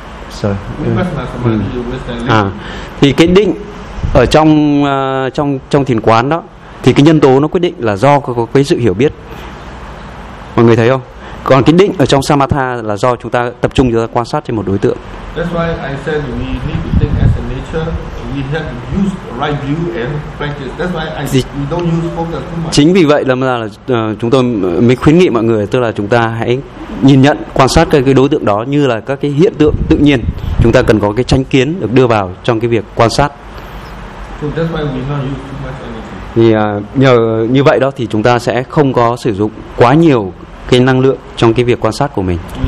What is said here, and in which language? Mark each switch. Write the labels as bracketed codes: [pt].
[en] Sorry. Vipassana samadhi is wisdom leading. [vi] Thì cái định ở trong thiền quán đó thì cái nhân tố nó quyết định là do có cái sự hiểu biết. Mọi người thấy không? Còn cái định ở trong samatha là do chúng ta tập trung, chúng ta quan sát trên một đối tượng. [en] That's why I said we need to think as a nature. We have to use right view and practice. That's why we don't use focus too much. [vi] Chính vì vậy là chúng tôi mới khuyến nghị mọi người, tức là chúng ta hãy nhìn nhận, quan sát cái đối tượng đó như là các cái hiện tượng tự nhiên. Chúng ta cần có cái chánh kiến được đưa vào trong cái việc quan sát. [en] So that's why we don't use too much energy. [vi] Thì nhờ như vậy đó thì chúng ta sẽ không có sử dụng quá nhiều cái năng lượng trong cái việc quan sát của mình.